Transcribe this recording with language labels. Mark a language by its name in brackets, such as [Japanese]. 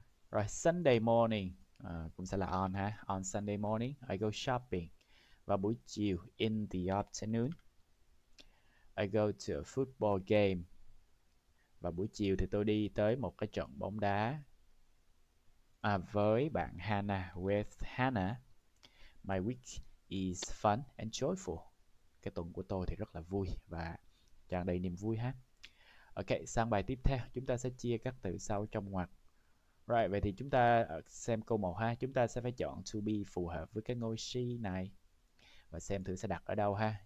[English] Rồi, Sunday morning [Vietnamese] cũng sẽ là [English] on ha. On Sunday morning, I go shopping. [Vietnamese] Và buổi chiều, [English] in the afternoon, I go to a football game. [Vietnamese] Và buổi chiều thì tôi đi tới một cái trận bóng đá với bạn Hannah. [English] With Hannah, my week is fun and joyful. [Vietnamese] Cái tuần của tôi thì rất là vui và tràn đầy niềm vui ha. Ok, sang bài tiếp theo, chúng ta sẽ chia các từ sau trong ngoặc. Right, vậy thì chúng ta xem câu 1 ha. Chúng ta sẽ phải chọn to be phù hợp với cái ngôi she này. Và xem thử sẽ đặt ở đâu ha.